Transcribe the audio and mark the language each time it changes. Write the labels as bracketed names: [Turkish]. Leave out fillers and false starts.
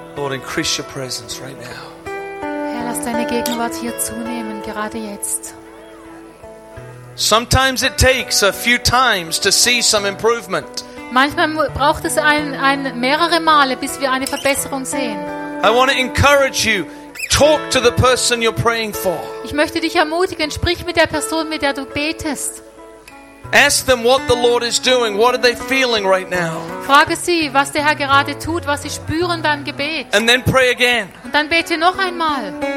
[English] Increase your presence right now. [German] Herr, lass deine Gegenwart hier zunehmen, gerade jetzt. [English] Sometimes it takes a few times to see some improvement. [German] Manchmal braucht es ein mehrere Male, bis wir eine Verbesserung sehen. [English] I want to encourage you. Talk to the person you're praying for. [German] Ich möchte dich ermutigen, sprich mit der Person, mit der du betest. [English] Ask them what the Lord is doing. What are they feeling right now? [German] Frage sie, was der Herr gerade tut, was sie spüren beim Gebet. [English] And then pray again. [German] Und dann bete noch einmal.